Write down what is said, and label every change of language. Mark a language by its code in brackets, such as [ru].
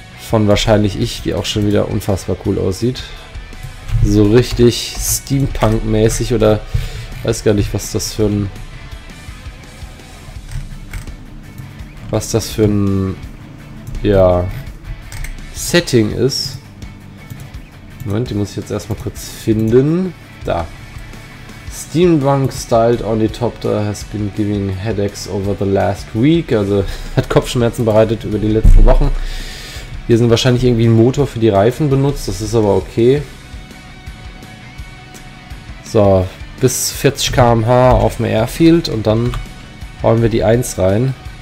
[de] Von wahrscheinlich ich, die auch schon wieder unfassbar cool aussieht. So richtig Steampunk-mäßig oder... weiß gar nicht, was das für ein... was das für ein... ja... Setting ist. Moment, die muss ich jetzt erstmal kurz finden. Da. [en] Steampunk-styled Ornithopter has been giving headaches over the last week. [de] Also hat Kopfschmerzen bereitet über die letzten Wochen. Hier sind wahrscheinlich irgendwie ein Motor für die Reifen benutzt. Das ist aber okay. So. Bis 40 km/h auf dem Airfield und dann hauen wir die 1 rein.